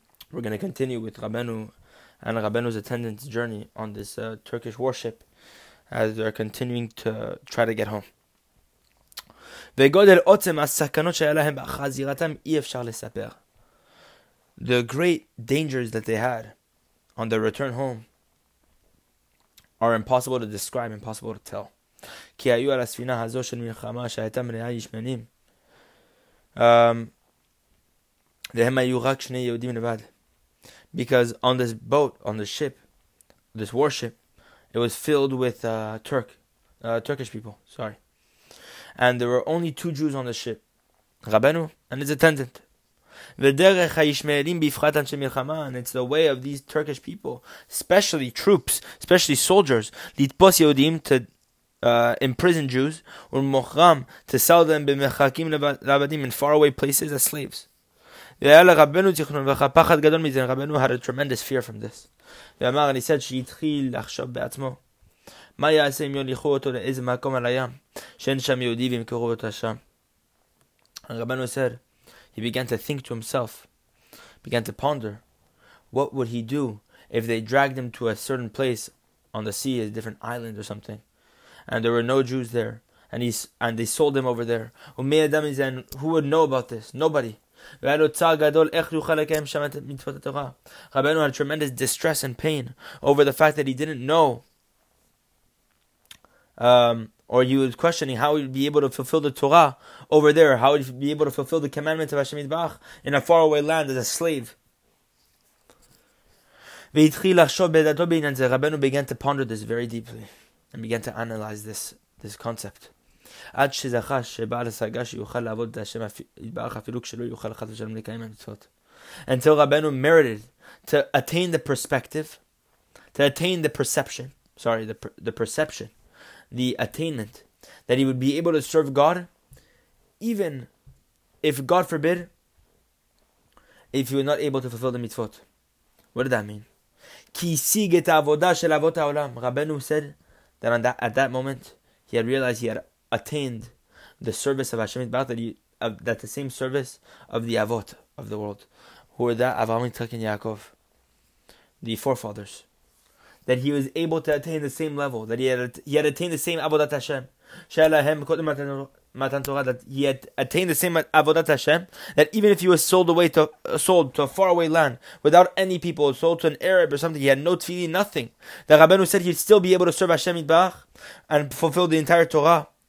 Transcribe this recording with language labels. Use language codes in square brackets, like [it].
[en] We're going to continue with Rabeinu and Rabeinu's attendant's journey on this Turkish warship as they're continuing to try to get home. [he] וגודל עוצם הסכנות שהיה להם בחזירתם אי אפשר לספר. [en] The great dangers that they had on their return home are impossible to describe, impossible to tell. [he] כי היו על הספינה הזו של מלחמה שהייתה מלאה ישמנים. והם היו רק שני יהודים לבד. [en] Because on this boat, on the ship, this warship, it was filled with Turkish people, sorry. And there were only two Jews on the ship, Rabeinu and his attendant. [he] ודרך הישמעאלים בפרט אנשי מלחמה, [en] and it's the way of these Turkish people, especially troops, especially soldiers, [he] לתפוס יהודים [en] to imprison Jews, [he] ומוכרם [en] to sell them [he] במרחקים לעבדים [en] in faraway places as slaves. [he] והיה לרבנו תכנון וחפחת גדול מזה, רבנו [en] had a tremendous fear from this. [he] ואמר, אני [en] said, [he] שהתחיל לחשוב בעצמו, מה יעשה אם יוליכו אותו לאיזה מקום על הים, שאין שם יהודי וימכרו אותו שם. [en] רבנו said, he began to think to himself, began to ponder, what would he do if they dragged him to a certain place on the sea, a different island or something, and there were no Jews there, and they sold him over there. [he] ומי ידע מזה, [en] and who would know about this? Nobody. [he] והיה לו צער גדול איך יוכל לקיים שם את מצוות התורה. [en] רבנו had tremendous distress and pain over the fact that he didn't know, or he was questioning how he would be able to fulfill the Torah over there, how he would be able to fulfill the commandments of Hashem Yitbach in a faraway land as a slave. [he] והתחיל לחשוב בדעתו בעניין זה, [en] רבנו began to ponder this very deeply and began to analyze this concept. [he] עד שזכה שבעל השגה שיוכל לעבוד את השם יתברך אפילו כשלא יוכל חס ושלום לקיים המצוות. [en] Until Rabbeinu merited to attain the perspective, to attain the perception, sorry, the perception, the attainment, that he would be able to serve God, even if, God forbid, if he was not able to fulfill the mitzvot. What did that mean? [he] כי השיג את העבודה של אבות העולם. [en] Rabbeinu said that, at that moment, he had realized he had attained the service of Hashem Yitbach, that the same service of the Avot of the world, who were that Avraham, Yitzchak, and Yaakov, the forefathers, that he was able to attain the same level, that he had attained the same Avodat Hashem, [he] she'alahem kodem matan Torah, [en] that he had attained the same Avodat Hashem, that even if he was sold to a faraway land without any people, sold to an Arab or something, he had no tefillin, nothing, that Rabbeinu said he'd still be able to serve Hashem Yitbach and fulfill the entire Torah.